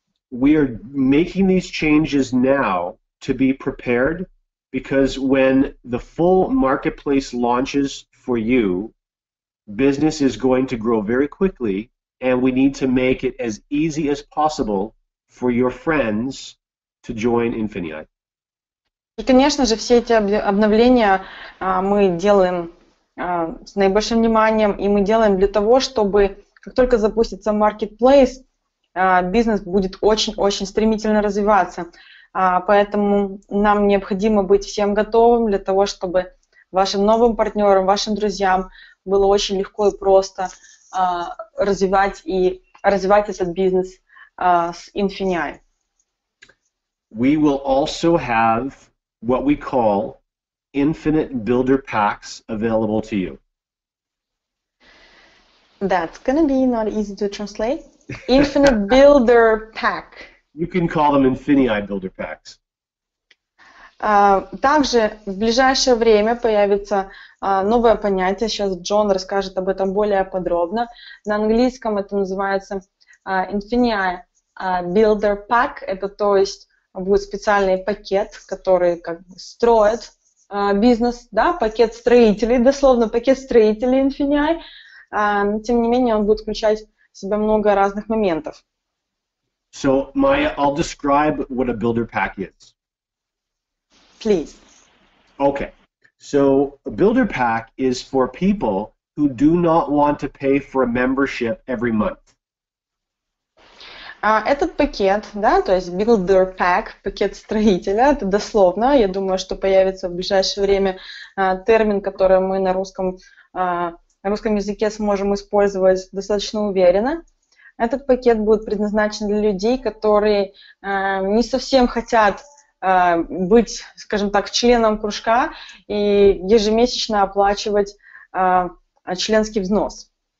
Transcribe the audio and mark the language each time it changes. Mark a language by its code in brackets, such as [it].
[en] We are making these changes now to be prepared, because when the full marketplace launches for you, business is going to grow very quickly, and we need to make it as easy as possible for your friends to join Infineon. [ru] И, конечно же, все эти обновления мы делаем с наибольшим вниманием, и мы делаем для того, чтобы, как только запустится marketplace, бизнес будет очень-очень стремительно развиваться. Поэтому нам необходимо быть всем готовым для того, чтобы вашим новым партнерам, вашим друзьям было очень легко и просто развивать этот бизнес с Infineon. [en] We will also have what we call infinite builder packs available to you. That's gonna be not easy to translate. Infinite builder pack. You can call them Infineon builder packs. [ru] Также в ближайшее время появится новое понятие, сейчас Джон расскажет об этом более подробно. На английском это называется Infineon Builder Pack, это то есть будет специальный пакет, который как бы строит бизнес, да, пакет строителей, дословно пакет строителей Infineon, но тем не менее он будет включать в себя много разных моментов. [en] So, Maya, I'll describe what a builder pack is. please. Okay. So a builder pack is for people who do not want to pay for a membership every month. [ru] Этот пакет, да, то есть builder pack, пакет строителя, это дословно, я думаю, что появится в ближайшее время термин, который мы на русском, на русском языке сможем использовать достаточно уверенно. Этот пакет будет предназначен для людей, которые не совсем хотят быть, скажем так, членом кружка и ежемесячно оплачивать членский взнос.